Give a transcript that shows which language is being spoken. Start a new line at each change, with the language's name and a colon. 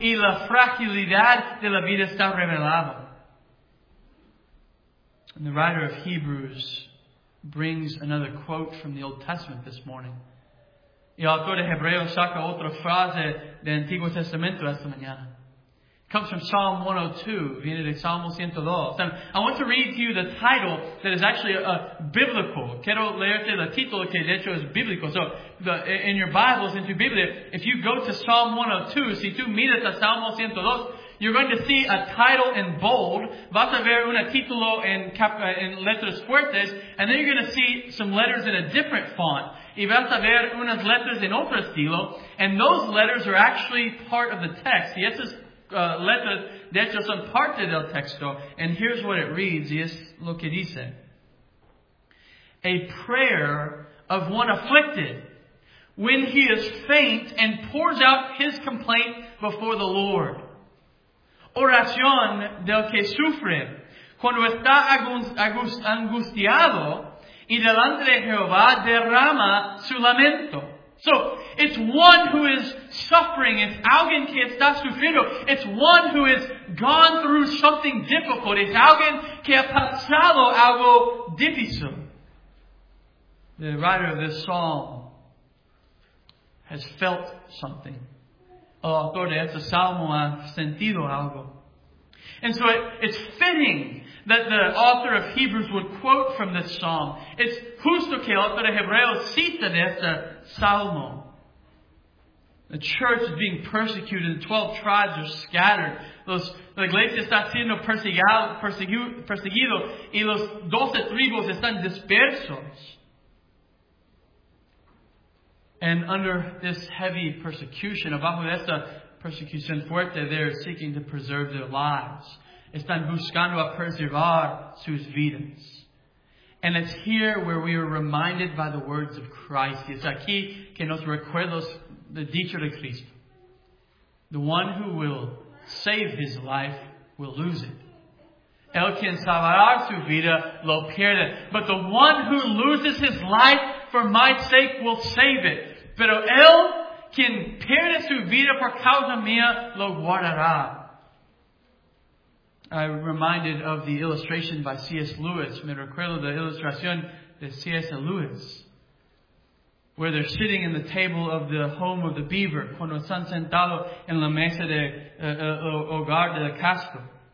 Spanish: Y la fragilidad de la vida está revelada.
English: And the writer of Hebrews brings another quote from the Old Testament this morning.
Spanish: Y el autor de Hebreos saca otra frase del Antiguo Testamento esta mañana.
English: It comes from Psalm 102.
Spanish: Viene de Salmo 102.
English: And I want to read to you the title that is actually a biblical.
Spanish: Quiero leerte el título que de hecho es bíblico.
English: So, in your Bibles, in your Biblia, if you go to Psalm 102,
Spanish: si tú miras a Salmo 102,
English: you're going to see a title in bold.
Spanish: Vas a ver un título en letras fuertes.
English: And then you're going to see some letters in a different font.
Spanish: Y vas a ver unas letras en otro estilo.
English: And those letters are actually part of the text.
Spanish: Y esas letras, de hecho, son parte del texto.
English: And here's what it reads.
Spanish: Y es lo que dice.
English: A prayer of one afflicted when he is faint and pours out his complaint before the Lord.
Spanish: Oración del que sufre cuando está angustiado y delante de Jehová derrama su lamento.
English: So, it's one who is suffering. It's
Spanish: alguien que está sufriendo.
English: It's one who has gone through something difficult.
Spanish: It's alguien que ha pasado algo difícil.
English: The writer of this psalm has felt something.
Spanish: El autor de este salmo ha sentido algo.
English: And so it's fitting that the author of Hebrews would quote from this psalm.
Spanish: It's justo que el autor de Hebreos cita de este salmo.
English: The church is being persecuted. The 12 tribes are scattered.
Spanish: La iglesia está siendo perseguido. Y los 12 tribus están dispersos.
English: And under this heavy persecution,
Spanish: abajo de esta persecución fuerte,
English: they're seeking to preserve their lives.
Spanish: Están buscando a preservar sus vidas.
English: And it's here where we are reminded by the words of Christ.
Spanish: Es aquí que nos recuerdos de dicho de Cristo.
English: The one who will save his life will lose it.
Spanish: El quien salvará su vida lo pierde.
English: But the one who loses his life for my sake will save it.
Spanish: Pero él quien pierde su vida por causa mía lo guardará.
English: I'm reminded of the illustration by C.S. Lewis.
Spanish: Me recuerdo de la ilustración de C.S. Lewis.
English: Where they're sitting in the table of the home of the beaver.
Spanish: Cuando están sentados en la mesa de hogar del castor.